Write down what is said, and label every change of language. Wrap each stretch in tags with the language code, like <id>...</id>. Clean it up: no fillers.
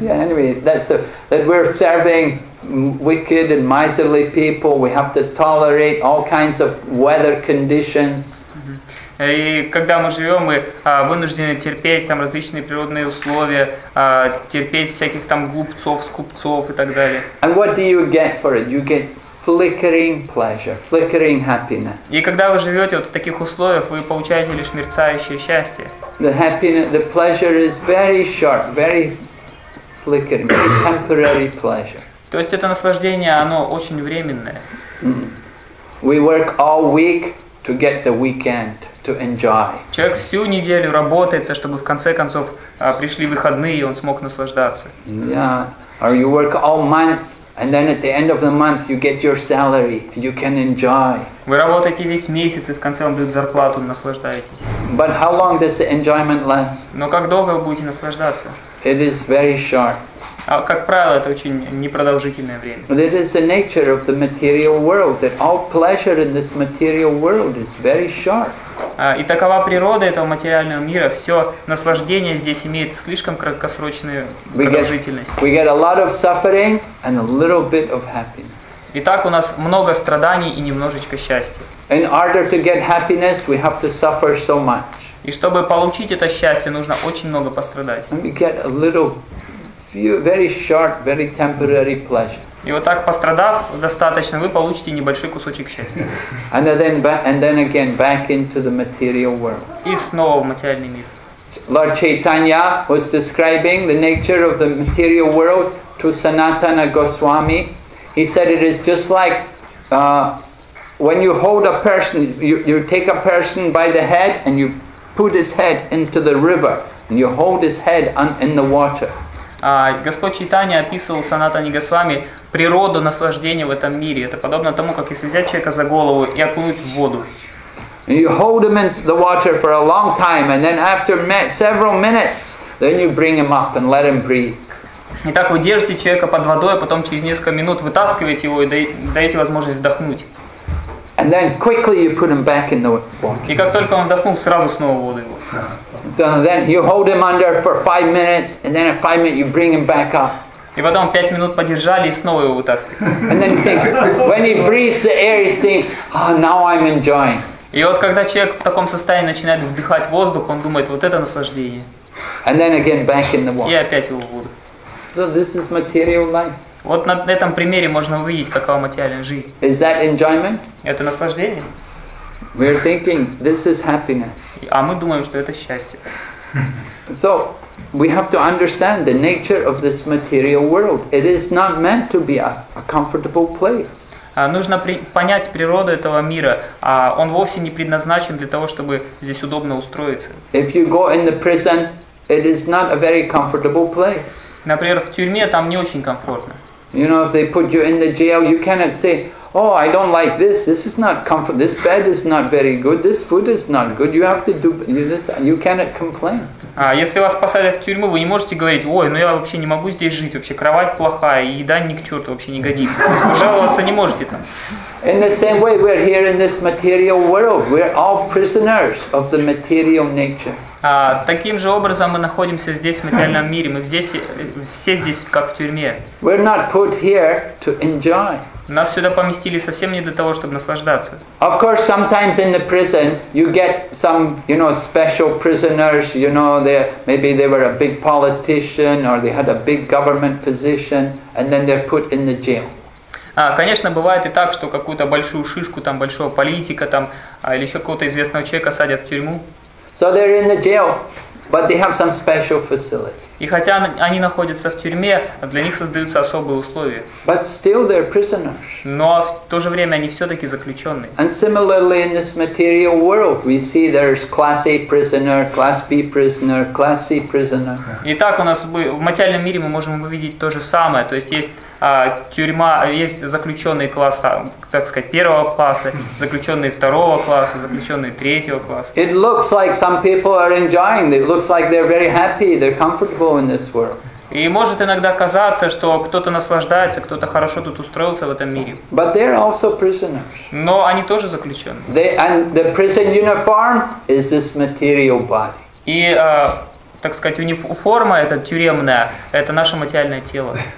<en>Yeah, anyway, that we're serving wicked and miserly people, we have to tolerate all kinds of weather conditions.</en> <ru>И когда мы живем, мы вынуждены терпеть там различные природные условия, терпеть всяких там глупцов, скупцов и так далее.</ru> <en>And what do you get for it? You get flickering pleasure, flickering happiness.</en> <ru>И когда вы живете вот в таких условиях, вы получаете лишь мерцающее счастье.</ru> <en>The happiness, the pleasure is very short, very flickering, temporary pleasure.</en> <ru>То есть это наслаждение, оно очень временное.</ru> <en>We work all week to get the weekend to enjoy.</en> <ru>Человек всю неделю работает, чтобы в конце концов пришли выходные, и он смог наслаждаться.</ru> <en>Yeah. Or you work all month, and then at the end of the month you get your salary, you can enjoy.</en> <ru>Вы работаете весь месяц, и в конце вам дают зарплату, наслаждаетесь.</ru> <en>But how long does the enjoyment last?</en> <ru>Но как долго вы будете наслаждаться?</ru> <en>It is very short.</en> <ru>А как правило, это очень непродолжительное время.</ru> <en>But it is the nature of the material world that all pleasure in this material world is very short.</en> <ru>И такова природа этого материального мира. Все наслаждение здесь имеет слишком краткосрочную продолжительность.</ru> <en>We get a lot of suffering and a little bit of happiness.</en> <ru>Итак, у нас много страданий и немножечко счастья.</ru> <en>In order to get happiness, we have to suffer so much.</en> <ru>И чтобы получить это счастье, нужно очень много пострадать.</ru> <en>And we get a little. Very short, very temporary pleasure.</en> <ru>И вот так, пострадав достаточно, вы получите небольшой кусочек счастья.</ru> <en>And then again back into the material world.</en> <ru>И снова в материальный мир.</ru> <en>Lord Chaitanya was describing the nature of the material world to Sanatana Goswami. He said it is just like when you hold a person, you take a person by the head and you put his head into the river and you hold his head in the water.</en> <ru>Господь Чайтанья описывал Санатана Госвами природу наслаждения в этом мире. Это подобно тому, как если взять человека за голову и окунуть в воду.</ru> <en>You hold him in the water for a long time, and then after several minutes, then you bring him up and let him breathe.</en> <ru>Итак, вы держите человека под водой, а потом через несколько минут вытаскиваете его и даете возможность вдохнуть.</ru> <en>And then quickly you put him back in the water.</en> <ru>И как только он вдохнул, сразу снова в воду его.</ru> <en>So then you hold him under for 5 minutes, and then at 5 minutes you bring him back up.</en> <ru>И потом 5 минutes подержали и снова его вытаскивали.</ru> <en>And then he thinks, when he breathes the air, he thinks, oh, now I'm enjoying.</en> <ru>И вот когда человек в таком состоянии начинает вдыхать воздух, он думает, вот это наслаждение.</ru> <en>And then again back in the water.</en> <ru>И опять его в воду.</ru> <en>So this is material life.</en> <ru>Вот на этом примере можно увидеть, какова материальная жизнь.</ru> <en>Is that enjoyment?</en> <ru>Это наслаждение.</ru> <en>We're thinking this is happiness.</en> <ru>А мы думаем, что это счастье.</ru> <en>So we have to understand the nature of this material world. It is not meant to be a comfortable place.</en> <ru>Нужно понять природу этого мира. Он вовсе не предназначен для того, чтобы здесь удобно устроиться.</ru> <en>If you go in the prison, it is not a very comfortable place.</en> <ru>Например, в тюрьме там не очень комфортно.</ru> <en>You know, if they put you in the jail, you cannot say, oh, I don't like this. This is not comfort. This bed is not very good. This food is not good. You have to do this. You cannot complain.</en> <ru>А если вас посадят в тюрьму, вы не можете говорить, ой, ну я вообще не могу здесь жить. Вообще кровать плохая, еда ни к черту вообще не годится. То есть вы жаловаться не можете там.</ru> <en>In the same way, we're here in this material world. We're all prisoners of the material nature.</en> <ru>Таким же образом мы находимся здесь в материальном мире. Мы здесь все здесь как в тюрьме.</ru> <en>We're not put here to enjoy.</en> <ru>Нас сюда поместили совсем не для того, чтобы наслаждаться.</ru> <en>Of course, sometimes in the prison you get some, you know, special prisoners. You know, maybe they were a big politician or they had a big government position, and then they're put in the jail.</en> <ru>Конечно, бывает и так, что какую-то большую шишку, там большого политика, там или еще какого-то известного человека садят в тюрьму.</ru> <en>So they're in the jail, but they have some special facility.</en> <ru>И хотя они находятся в тюрьме, для них создаются особые условия.</ru> <en>But still they're prisoners.</en> <ru>Но в то же время они все-таки заключенные.</ru> <en>And similarly in this material world, we see there's class A prisoner, class B prisoner, class C prisoner.</en> <ru>Итак, у нас в материальном мире мы можем увидеть то же самое, то есть есть тюрьма, есть заключенные класса, так сказать, первого класса, заключенные второго класса, заключенные третьего класса.</ru> <en>It looks like some people are enjoying. It looks like they're very happy, they're comfortable in this world.</en> <ru>И может иногда казаться, что кто-то наслаждается, кто-то хорошо тут устроился в этом мире.</ru> <en>But they're also prisoners.</en> <ru>Но они тоже заключенные.</ru> <en>And the prison uniform is this material body.</en> <ru>И, так сказать, униформа эта тюремная, это наше материальное тело.</ru>